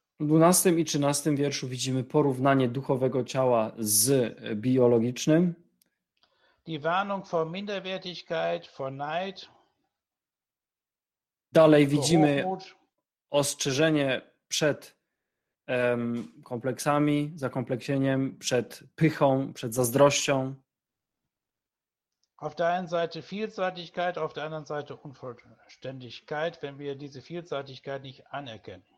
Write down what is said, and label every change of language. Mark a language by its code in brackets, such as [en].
[pl] W 12 i 13 wierszu widzimy porównanie duchowego ciała z biologicznym. [de] Die Warnung vor Minderwertigkeit, vor Neid. [pl] Dalej widzimy ostrzeżenie przed kompleksami, zakompleksieniem, przed pychą, przed zazdrością. [de] Auf der einen Seite Vielseitigkeit, auf der anderen Seite Unvollständigkeit, wenn wir diese Vielseitigkeit nicht anerkennen.